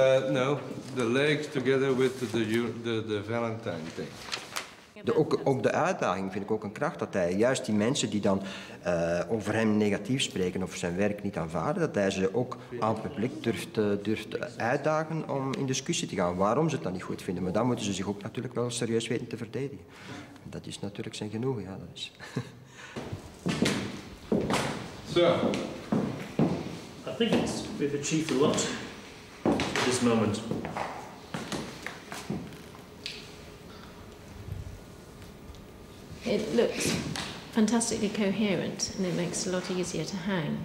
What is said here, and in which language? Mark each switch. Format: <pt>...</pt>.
<en>No, the legs together with the Valentine thing.</en> <nl>Ook de uitdaging vind ik ook een kracht, dat hij juist die mensen die dan over hem negatief spreken of zijn werk niet aanvaarden, dat hij ze ook aan het publiek durft uitdagen om in discussie te gaan waarom ze het dan niet goed vinden. Maar dan moeten ze zich ook natuurlijk wel serieus weten te verdedigen. Dat is natuurlijk zijn genoegen, ja. Dat is.</nl> <en>So. I think we've achieved a lot at this moment. It looks fantastically coherent and it makes it a lot easier to hang.</en>